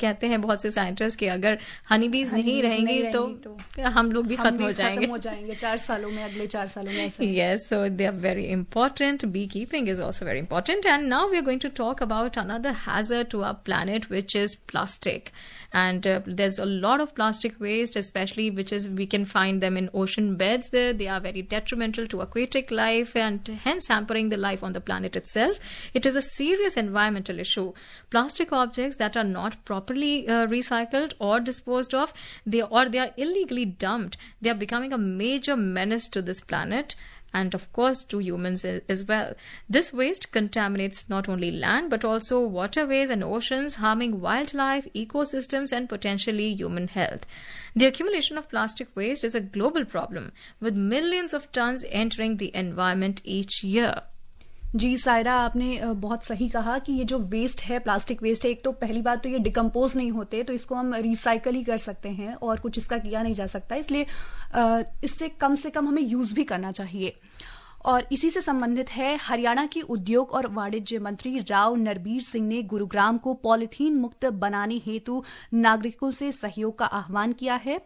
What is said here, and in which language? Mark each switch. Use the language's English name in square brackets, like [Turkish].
[Hindi] कहते हैं बहुत से साइंटिस्ट कि अगर हनी बीज नहीं रहेंगी तो हम लोग भी खत्म हो जाएंगे अगले चार सालों में। [English] Yes, so they are very important, bee keeping is also very important. And now we are going to talk about another hazard to planet, which is plastic. And there's a lot of plastic waste, especially which is we can find them in ocean beds there. They are very detrimental to aquatic life and hence hampering the life on the planet itself. It is a serious environmental issue. Plastic objects that are not properly recycled or disposed of, they are illegally dumped, they are becoming a major menace to this planet and of course to humans as well. This waste contaminates not only land but also waterways and oceans, harming wildlife, ecosystems and potentially human health. The accumulation of plastic waste is a global problem, with millions of tons entering the environment each year. [Hindi] जी सायरा, आपने बहुत सही कहा कि ये जो waste है, plastic waste है, एक तो पहली बात तो ये डिकम्पोज नहीं होते, तो इसको हम रिसाइकल ही कर सकते हैं और कुछ इसका किया नहीं जा सकता, इसलिए इससे कम से कम हमें यूज भी करना चाहिए। और इसी से संबंधित है, हरियाणा के उद्योग और वाणिज्य मंत्री राव नरबीर सिंह ने गुरुग्राम को पॉलीथीन मुक्त बनाने हेतु नागरिकों से सहयोग का आह्वान किया है।